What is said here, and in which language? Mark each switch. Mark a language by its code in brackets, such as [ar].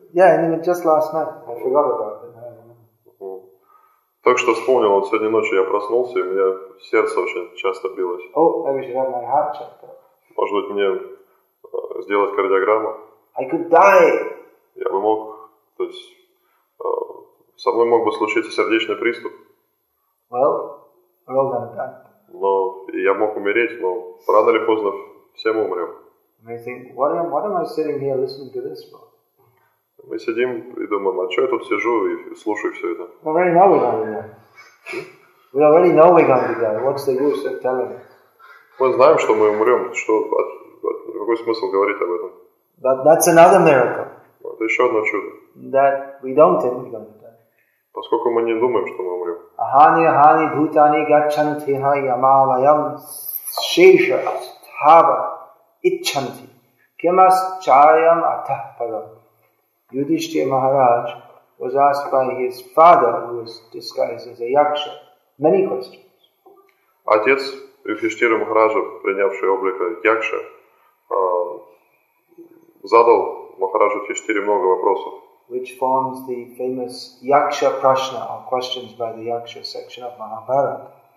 [en] Yeah, and even just last night. I forgot about it. [ru] Так что вспомнил, вот сегодня ночью я проснулся, и у меня сердце очень часто билось. [en] Oh, maybe you should have my heart checked. [ru] Может быть, мне сделать кардиограмму? [en] I could die. [ru] Я бы мог, то есть, со мной мог бы случиться сердечный приступ. [en] Well, we're all gonna die. [ru] Но я мог умереть, но рано или поздно все мы умрем. [en] And I think, what am I sitting here listening to this for? [ru] Мы сидим и думаем, а что я тут сижу и слушаю все это? [en] We already know we're gonna die. We already know we're gonna die. What's the use of telling us? [ru] Мы знаем, что мы умрем. Что, какой смысл говорить об этом? [en] But that's another miracle. [ru] Это еще одно чудо. [en] That we don't think we're going to die. [ru] Поскольку мы не думаем, что мы умрем. [sa] Ахани, ахани, бхутани, гачанти, ха, ямалаям, шеша, астхава, итчанти, кимас, чарьям, атахпадам. [en] Yudhishthira Maharaj was asked by his father, who was disguised as a yaksha, many questions. [ru] Отец Юдхиштхира Махараджа, принявший облик Якши, задал Махараджу Юдхиштхире много вопросов. [en] Which forms the famous Yaksha Prashna, or questions by the Yaksha section of Mahabharata.